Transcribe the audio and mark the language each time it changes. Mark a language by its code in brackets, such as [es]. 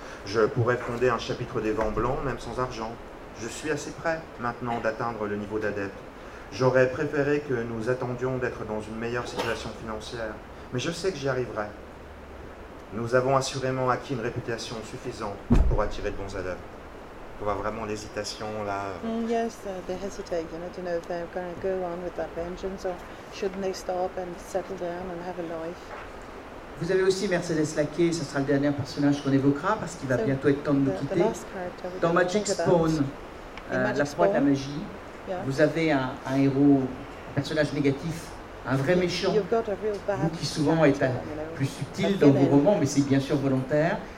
[fr] Je pourrais fonder un chapitre des vents blancs, même sans argent. Je suis assez prêt, maintenant, d'atteindre le niveau d'adepte. J'aurais préféré que nous attendions d'être dans une meilleure situation financière. Mais je sais que j'y arriverai. Nous avons assurément acquis une réputation suffisante pour attirer de bons élèves. On voit vraiment l'hésitation là. [en] Yes, they hesitate, you know, to know if they're going to go on with that vengeance or shouldn't they stop and settle down and have a life. [fr] Vous avez aussi Mercedes Laquais, ce sera le dernier personnage qu'on évoquera parce qu'il va bientôt être temps de nous quitter. Dans Magic Spawn, la sproie de la magie, vous avez un héros, un personnage négatif, un vrai méchant, vous qui souvent est plus subtil dans vos romans, mais c'est bien sûr volontaire.